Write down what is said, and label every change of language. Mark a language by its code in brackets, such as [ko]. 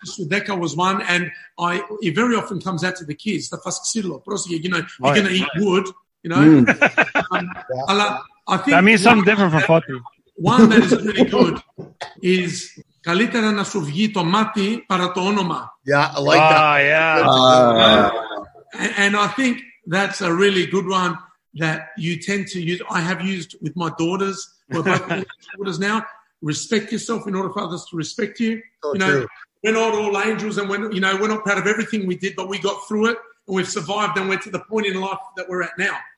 [en] sudeka was one, and it very often comes out to the kids, the fasksilo, prosi, you know, you're going to eat wood, you know. I think that means something different for Forty. one that is really good is [el] Καλύτερα να σου βγει το μάτι παρά το όνομα. [en] Yeah, I like that. And I think that's a really good one that you tend to use. I have used with my daughters. We're both daughters now. Respect yourself in order for others to respect you. True. We're not all angels, and we're not proud of everything we did, but we got through it and we've survived, and we're to the point in life that we're at now.